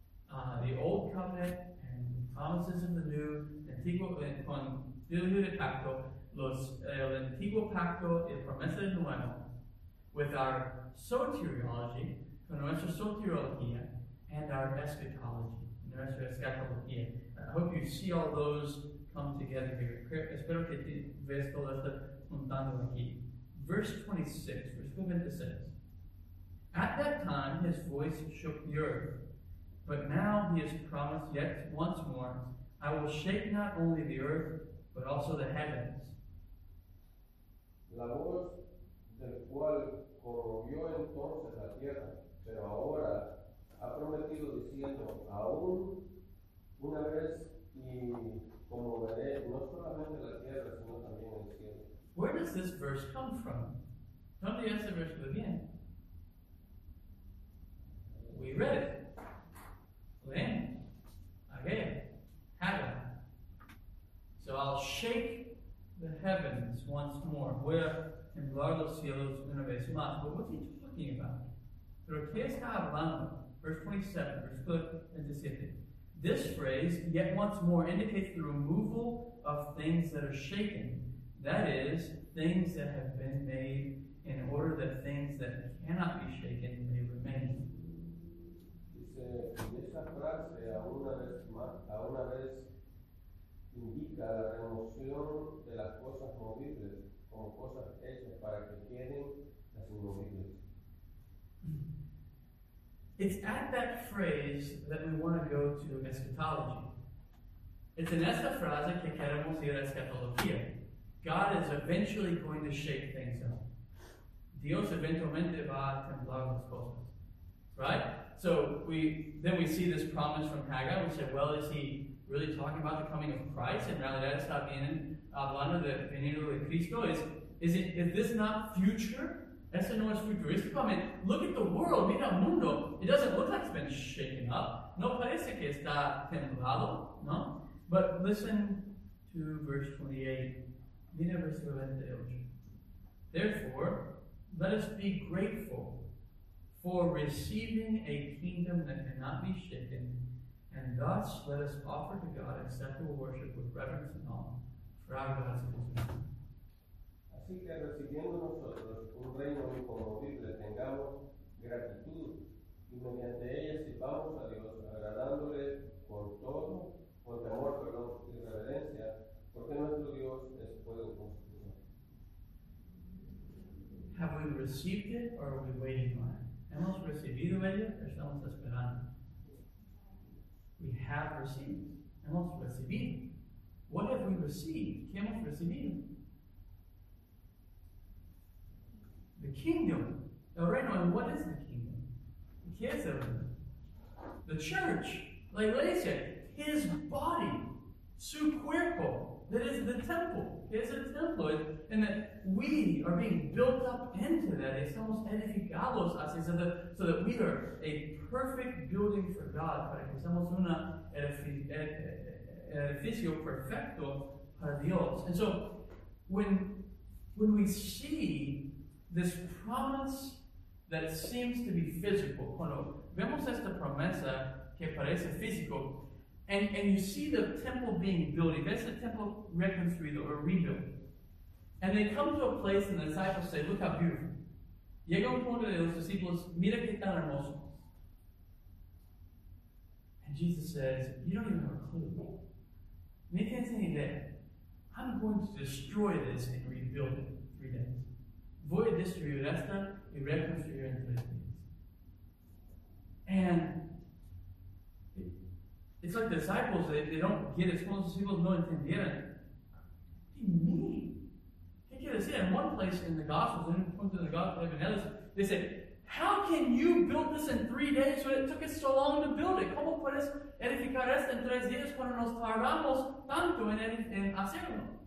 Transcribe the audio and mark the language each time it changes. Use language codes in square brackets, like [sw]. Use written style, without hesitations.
[en] The old covenant and promises in the new, [es] antiguo con Dios de pacto, el antiguo pacto y promesa del nuevo, [en] with our soteriology, [es] con nuestra soteriología, [en] and our eschatology, [es] nuestra eschatología. [en] I hope you see all those come together here. [es] Espero que te veas todo esto juntando aquí. [en] Verse 26. At that time, his voice shook the earth. But now he has promised yet once more, I will shake not only the earth, but also the heavens. [es] La voz del cual corrompió entonces la tierra, pero ahora ha prometido diciendo, aún una vez y como veré, no solamente la tierra, sino también el cielo. [en] Where does this verse come from? [es] ¿Dónde es el verso de bien? [en] We read it. Then, again, Haggai. So I'll shake the heavens once more. [es] Voy a temblar los cielos una vez más. [en] But what's he talking about? [es] Pero qué está hablando? [en] Verse 27. This phrase, yet once more, indicates the removal of things that are shaken. That is, things that have been made in order that things that cannot be shaken may remain. [es] Y esa frase a una vez indica la remoción de las cosas movibles como cosas hechas para que queden las inmovibles. [en] It's at that phrase that we want to go to eschatology. It's in [es] esa frase que queremos ir a eschatología. [en] God is eventually going to shake things up. [es] Dios eventualmente va a temblar las cosas. [en] Right? So we see this promise from Haggai. We say, well, is he really talking about the coming of Christ? And rather that [es] está bien hablando de venido de Cristo. [en] Is this not future? [es] Eso no es futurístico. [en] I mean, look at the world. [es] Mira el mundo. [en] It doesn't look like it's been shaken up. [es] No parece que está temblado, no? [en] But listen to verse 28. [es] Mira versículo 28. [en] Therefore, let us be grateful for receiving a kingdom that cannot be shaken, and thus let us offer to God acceptable worship with reverence and awe, for our God is [es] Así que recibiendo nosotros un reino incorruptible, tengamos tengamos gratitud y mediante ella sirvamos a Dios, agradándole con todo, con temor, perdón, y reverencia, porque nuestro Dios es fuego consumidor. [en] Have we received it or are we waiting on it? [es] ¿Hemos recibido ello o estamos esperando? [en] We have received. [es] Hemos recibido. [en] What have we received? [es] ¿Qué hemos recibido? [en] The kingdom. [es] El reino. [en] And what is the kingdom? [es] ¿Qué es el reino? [en] The church. [es] La iglesia. [en] His body. [es] Su cuerpo. [en] That is the temple. [es] ¿Qué es el templo? [en] And that we are being built up into that. [es] Estamos edificados así. [en] So that we are a perfect building for God. [es] Para que somos una edificio perfecto para Dios. [en] And so, when we see this promise that seems to be physical, [es] cuando vemos esta promesa que parece físico, [en] and you see the temple being built, [es] ves el templo reconstruido [en] or rebuilt, and they come to a place and the disciples say, look how beautiful. [es] Llega un punto de los discípulos, mira que tan hermoso. [en] And Jesus says, you don't even have a clue. [es] Ni tienes ni idea. [en] I'm going to destroy this and rebuild it in 3 days. [es] Voy a destruir esta y reconstruir en 3 days. [en] And it's like disciples, they don't get it. [es] Los discípulos no entendieron. ¿Qué mean? ¿Qué quiere decir? [en] In one place in the Gospels, in one of the Gospels, even others, they say, how can you build this in 3 days when it took us so long to build it? [es] ¿Cómo puedes edificar esto en 3 días cuando nos tardamos tanto en hacerlo?